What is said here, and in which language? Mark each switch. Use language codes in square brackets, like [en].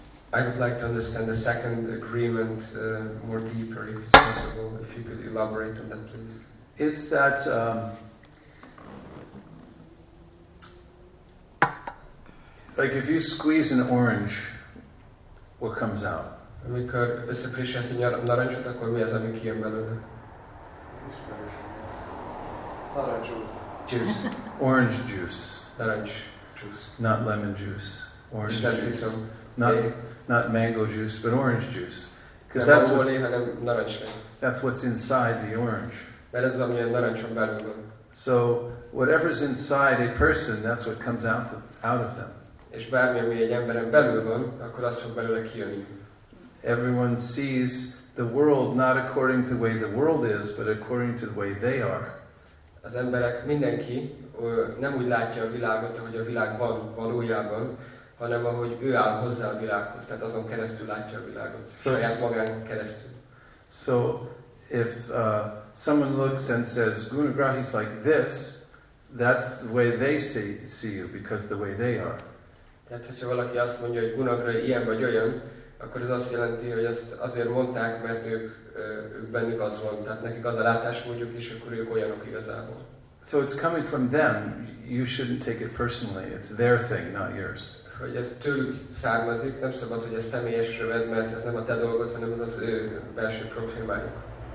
[en] I would like to understand the second agreement more deeper, if it's possible. If you could elaborate on that, please. It's that like if you squeeze an orange, what comes out? [hu] Amikor összepréselsz egy narancsot, akkor mi az, ami kijön belőle? Narancs [en] juice. Orange juice. [hu] Narancs juice. [en] Not lemon juice. Orange juice. Not mango juice, but orange juice. Because that's what's inside the orange. [hu] Mert ez, ami a narancson belül van. [en] So whatever's inside a person, that's what comes out of them. [hu] És bármi, ami egy emberen belül van, akkor azt fog belőle kijönni. [en] Everyone sees the world not according to the way the world is, but according to the way they are. [hu] Az emberek, mindenki nem úgy látja a világot, ahogy a világ van valójában, hanem ahogy ő áll hozzá a világhoz, tehát azon keresztül látja a világot, saját magán keresztül. [en] So if someone looks and says, Gunagrahi's like this, that's the way they see you, because the way they are. [hu] Tehát, hogyha valaki azt mondja, hogy Gunagrahi ilyen vagy olyan, akkor ez azt jelenti, hogy ezt azért mondták, mert ők bennük az van, tehát nekik az a látás mondjuk, és akkor ők olyanok igazából. [en] So it's coming from them, you shouldn't take it personally, it's their thing, not yours. [hu] Hogy ez tőlük származik, nem szabad, hogy ez személyesre vedd, mert ez nem a te dolgod, hanem az ő belső problémájuk.